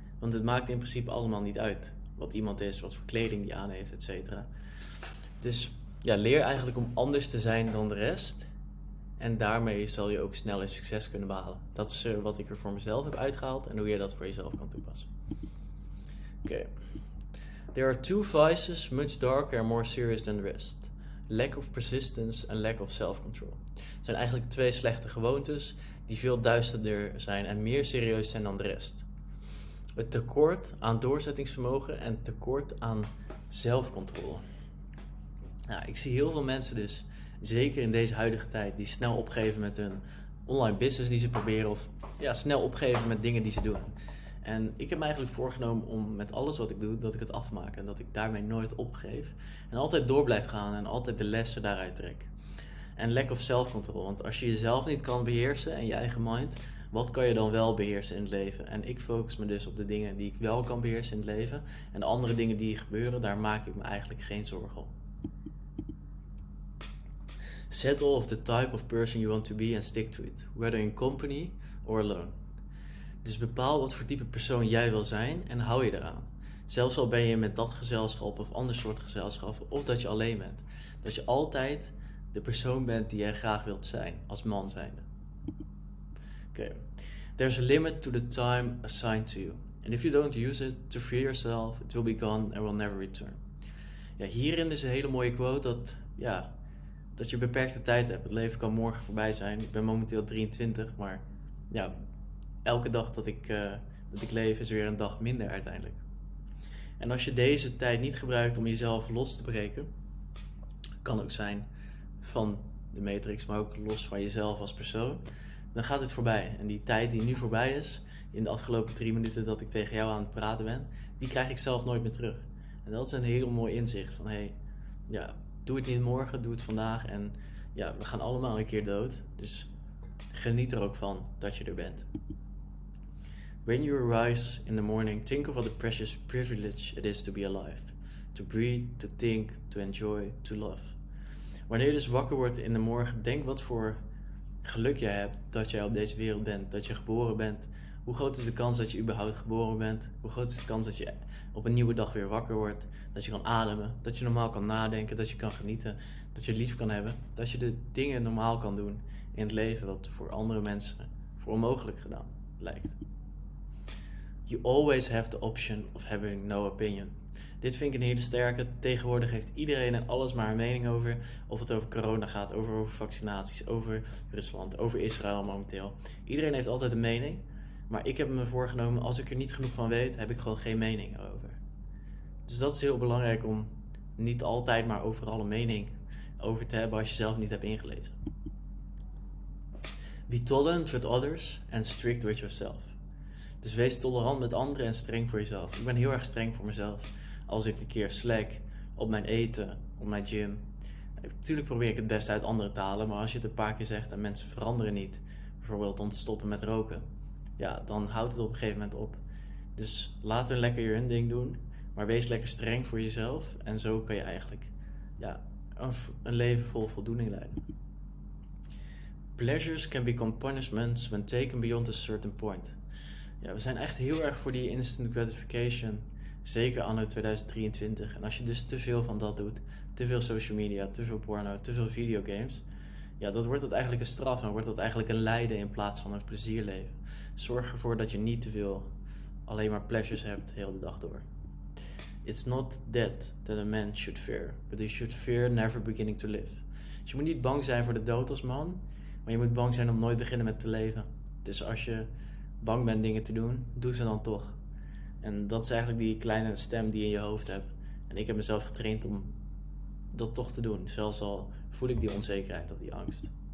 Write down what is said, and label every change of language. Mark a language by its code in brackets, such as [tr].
[nl] Want het maakt in principe allemaal niet uit wat iemand is, wat voor kleding die aan heeft, etc. Dus ja, leer eigenlijk om anders te zijn dan de rest. En daarmee zal je ook sneller succes kunnen behalen. Dat is wat ik er voor mezelf heb uitgehaald en hoe je dat voor jezelf kan toepassen. Oké. Okay. [en] There are 2 vices much darker and more serious than the rest. Lack of persistence and lack of self-control. [nl] Het zijn eigenlijk 2 slechte gewoontes die veel duisterder zijn en meer serieus zijn dan de rest. Het tekort aan doorzettingsvermogen en het tekort aan zelfcontrole. Nou, ik zie heel veel mensen dus, zeker in deze huidige tijd, die snel opgeven met hun online business die ze proberen. Of ja, snel opgeven met dingen die ze doen. En ik heb me eigenlijk voorgenomen om met alles wat ik doe, dat ik het afmaak. En dat ik daarmee nooit opgeef. En altijd door blijf gaan en altijd de lessen daaruit trek. En [en] lack of self-control. [nl] Want als je jezelf niet kan beheersen en je eigen mind, wat kan je dan wel beheersen in het leven? En ik focus me dus op de dingen die ik wel kan beheersen in het leven. En de andere dingen die gebeuren, daar maak ik me eigenlijk geen zorgen om. [en] Settle of the type of person you want to be and stick to it, whether in company or alone. [nl] Dus bepaal wat voor type persoon jij wil zijn en hou je eraan. Zelfs al ben je met dat gezelschap of ander soort gezelschap of dat je alleen bent. Dat je altijd de persoon bent die jij graag wilt zijn, als man zijnde. [en] Okay. There's a limit to the time assigned to you. And if you don't use it to free yourself, it will be gone and will never return. [nl] Ja, hierin is een hele mooie quote dat, ja, dat je beperkte tijd hebt. Het leven kan morgen voorbij zijn. Ik ben momenteel 23, maar ja, elke dag dat ik leef is weer een dag minder uiteindelijk. En als je deze tijd niet gebruikt om jezelf los te breken, kan ook zijn van de matrix, maar ook los van jezelf als persoon, dan gaat het voorbij. En die tijd die nu voorbij is, in de afgelopen 3 minuten dat ik tegen jou aan het praten ben, die krijg ik zelf nooit meer terug. En dat is een heel mooi inzicht van, hey, ja, doe het niet morgen, doe het vandaag en ja, we gaan allemaal een keer dood. Dus geniet er ook van dat je er bent. [en] When you arise in the morning, think of what a precious privilege it is to be alive. To breathe, to think, to enjoy, to love. [nl] Wanneer je dus wakker wordt in de morgen, denk wat voor geluk jij hebt dat jij op deze wereld bent, dat je geboren bent. Hoe groot is de kans dat je überhaupt geboren bent? Hoe groot is de kans dat je op een nieuwe dag weer wakker wordt? Dat je kan ademen, dat je normaal kan nadenken, dat je kan genieten, dat je lief kan hebben. Dat je de dingen normaal kan doen in het leven wat voor andere mensen voor onmogelijk gedaan lijkt. [en] You always have the option of having no opinion. [nl] Dit vind ik een hele sterke. Tegenwoordig heeft iedereen en alles maar een mening over. Of het over corona gaat, over vaccinaties, over Rusland, over Israël momenteel. Iedereen heeft altijd een mening. Maar ik heb me voorgenomen, als ik er niet genoeg van weet, heb ik gewoon geen mening over. Dus dat is heel belangrijk om niet altijd maar overal een mening over te hebben als je zelf niet hebt ingelezen. [en] Be tolerant with others and strict with yourself. [nl] Dus wees tolerant met anderen en streng voor jezelf. Ik ben heel erg streng voor mezelf. Als ik een keer slack op mijn eten, op mijn gym. Natuurlijk probeer ik het beste uit andere talen, maar als je het een paar keer zegt en mensen veranderen niet, bijvoorbeeld om te stoppen met roken, ja, dan houdt het op een gegeven moment op. Dus laat hun lekker hun ding doen, maar wees lekker streng voor jezelf. En zo kan je eigenlijk ja, een leven vol voldoening leiden. [en] Pleasures can become punishments when taken beyond a certain point. [nl] Ja, we zijn echt heel erg voor die instant gratification. Zeker anno 2023. En als je dus te veel van dat doet, te veel social media, te veel porno, te veel videogames, ja, dat wordt dat eigenlijk een straf en wordt dat eigenlijk een lijden in plaats van een plezierleven. Zorg ervoor dat je niet te veel alleen maar pleasures hebt heel de dag door. [en] It's not dead that a man should fear, but you should fear never beginning to live. [nl] Dus je moet niet bang zijn voor de dood als man, maar je moet bang zijn om nooit beginnen met te leven. Dus als je bang bent dingen te doen, doe ze dan toch. En dat is eigenlijk die kleine stem die je in je hoofd hebt. En ik heb mezelf getraind om dat toch te doen, zelfs al voel ik die onzekerheid of die angst.